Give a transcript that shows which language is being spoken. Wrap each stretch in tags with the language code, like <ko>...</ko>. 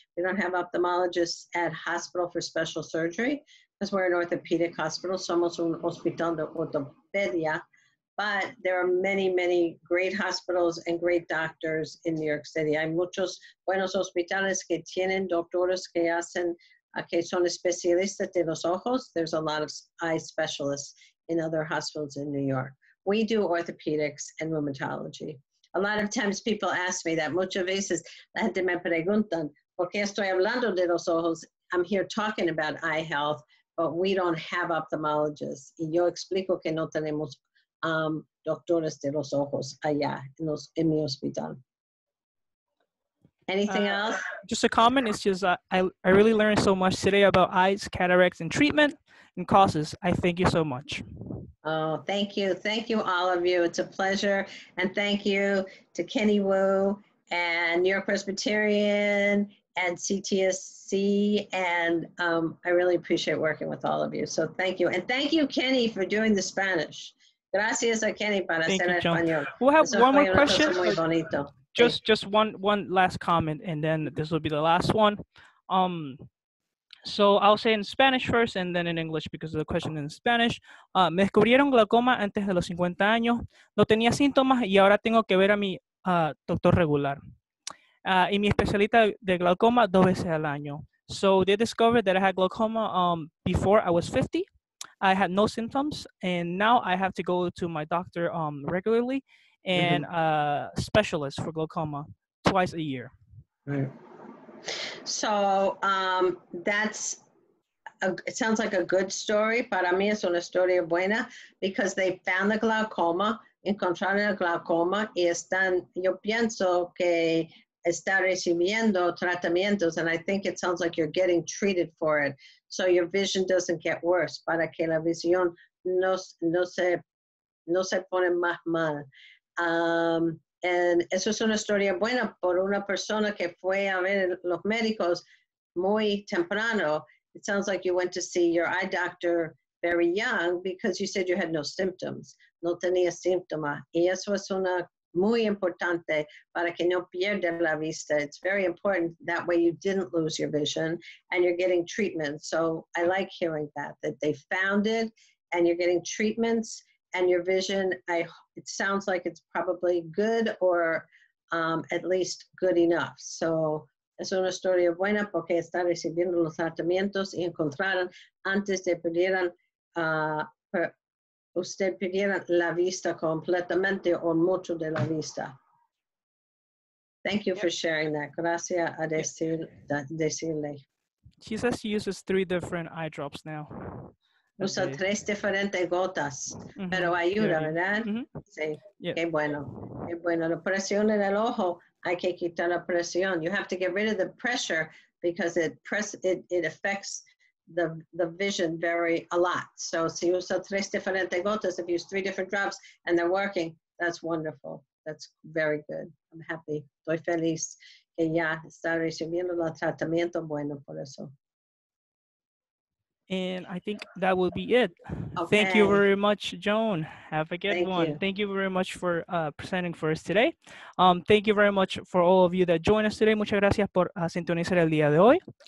<en>We don't have ophthalmologists at hospital for special surgery because we're an orthopedic hospital.</en> <es>Somos un hospital de ortopedia.</es> <en>But there are many, many great hospitals and great doctors in New York City.</en> <es>Hay muchos buenos hospitales que tienen doctores que hacen, que son especialistas de los ojos.</es> <en>There's a lot of eye specialists in other hospitals in New York. We do orthopedics and rheumatology. A lot of times people ask me that.</en> <es>Muchas veces la gente me preguntan, ¿por qué estoy hablando de los ojos?</es> <en>I'm here talking about eye health, but we don't have ophthalmologists.</en> <es>Y yo explico que no tenemos doctores de los ojos allá en mi hospital.</es> <en>Anything else? Just a comment. It's just I really learned so much today about eyes, cataracts, and treatment and causes. I thank you so much. Oh, thank you. Thank you, all of you. It's a pleasure. And thank you to Kenny Wu and New York Presbyterian and CTSC. And I really appreciate working with all of you. So thank you. And thank you, Kenny, for doing the Spanish.</en> <es>Gracias a Kenny para</es> <en>Thank</en> <es>hacer</es> <en>you,</en> <es>español.</es> <en>We'll have eso one more question. Just one last comment, and then this will be the last one. So I'll say in Spanish first and then in English because of the question in Spanish.</en> <es>Me descubrieron glaucoma antes de los 50 años. No tenía síntomas y ahora tengo que ver a mi doctor regular. Y mi especialista de glaucoma dos veces al año.</es> <en>So they discovered that I had glaucoma before I was 50. I had no symptoms, and now I have to go to my doctor regularly and a specialist for glaucoma twice a year. Right. So it sounds like a good story.</en> <es>Para mí es una historia buena</es> <en>because they found the glaucoma,</en> <es>encontraron el glaucoma, y están, yo pienso que está recibiendo tratamientos,</es> <en>and I think it sounds like you're getting treated for it. So your vision doesn't get worse,</en> <es>para que la visión no se pone más mal. And eso es una historia buena por una persona que fue a ver los médicos muy temprano.</es> <en>It sounds like you went to see your eye doctor very young because you said you had no symptoms.</en> <es>No tenía síntomas. Y eso es una muy importante para que no pierda la vista.</es> <en>It's very important that way you didn't lose your vision and you're getting treatment. So I like hearing that, that they found it and you're getting treatments and your vision, it sounds like it's probably good or at least good enough.</en> <es>So es una historia buena porque está recibiendo los tratamientos y encontraron antes de pudieran usted pidiera la vista completamente o mucho de la vista.</es> <en>Thank you for sharing that.</en> <es>Gracias a decirle.</es> <en>She says she uses 3 different eye drops now.</en> <es>Usa 3 diferentes gotas, mm-hmm. pero ayuda, yeah. ¿verdad? Mm-hmm. Sí, yep. Qué bueno. Qué bueno. La presión en el ojo, hay que quitar la presión.</es> <en>You have to get rid of the pressure because it affects the vision very a lot. So</en> <es>si usa 3 diferentes gotas,</es> <en>if you use 3 different drops and they're working, that's wonderful. That's very good. I'm happy.</en> <es>Estoy feliz que ya está recibiendo el tratamiento bueno por eso.</es> <en>And I think that will be it. Okay. Thank you very much, Joan. Have a good one. Thank you very much for presenting for us today. Thank you very much for all of you that joined us today.</en> <es>Muchas gracias por sintonizar el día de hoy.</es>